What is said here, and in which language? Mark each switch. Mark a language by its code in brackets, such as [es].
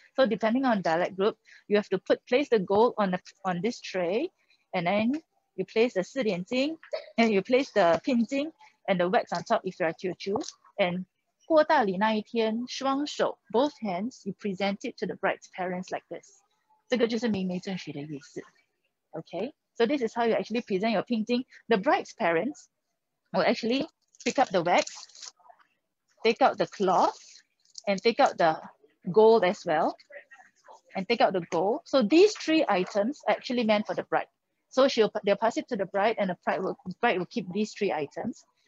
[en] So depending on dialect group, you have to place the gold on this tray, and then you place the 四点金, and you place the 拼金 and the wax on top if you are Chiu. And [zh] 过大礼那一天, 双手, [en] both hands, you present it to the bride's parents like this. [zh] 这个就是明媒正娶的意思. [en] Okay, so this is how you actually present your pinjing. The bride's parents will actually pick up the wax, take out the cloth, and take out the gold as well, and take out the gold. So these 3 items are actually meant for the bride. So they'll pass it to the bride, and the bride will keep these 3 items.